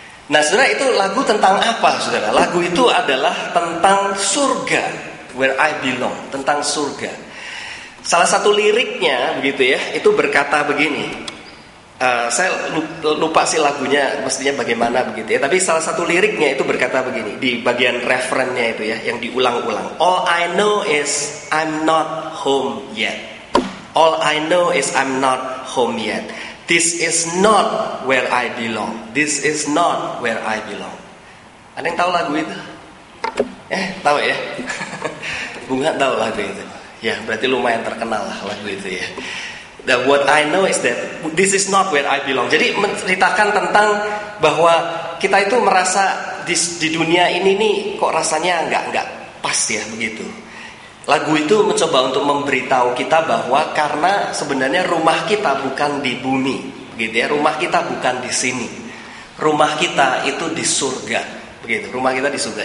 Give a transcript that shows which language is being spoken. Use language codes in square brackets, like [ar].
[id] Nah, saudara, itu lagu tentang apa, saudara? Lagu itu adalah tentang surga. Where I Belong, tentang surga. Salah satu liriknya begitu ya, itu berkata begini. Saya lupa sih lagunya mestinya bagaimana begitu ya, tapi salah satu liriknya itu berkata begini di bagian referennya itu ya, yang diulang-ulang. [en] All I know is I'm not home yet. All I know is I'm not home yet. This is not where I belong. This is not where I belong. [id] Ada yang tahu lagu itu? Tahu ya. Bunga tahu lagu itu. Ya, berarti lumayan terkenal lah lagu itu ya. [en] That what I know is that this is not where I belong. [id] Jadi menceritakan tentang bahwa kita itu merasa di dunia ini nih kok rasanya enggak pas ya begitu. Lagu itu mencoba untuk memberitahu kita bahwa karena sebenarnya rumah kita bukan di bumi, begitu ya. Rumah kita bukan di sini. Rumah kita itu di surga, begitu. Rumah kita di surga.